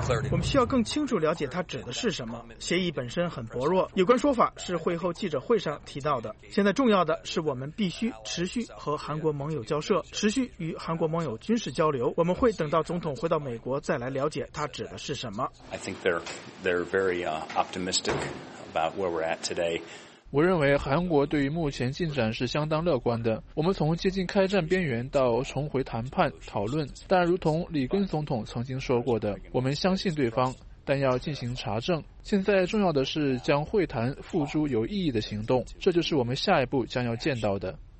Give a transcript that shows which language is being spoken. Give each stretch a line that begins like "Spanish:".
Chinese: 我们需要更清楚了解它指的是什么。协议本身很薄弱，有关说法是会后记者会上提到的。现在重要的是我们必须持续和韩国盟友交涉，持续与韩国盟友军事交流。我们会等到总统回到美国再来了解它指的是什么。
English: I think they're very optimistic about where we're at today。
Chinese: 我认为韩国对于目前进展是相当乐观的。我们从接近开战边缘到重回谈判讨论，但如同里根总统曾经说过的，我们相信对方，但要进行查证。现在重要的是将会谈付诸有意义的行动，这就是我们下一步将要见到的。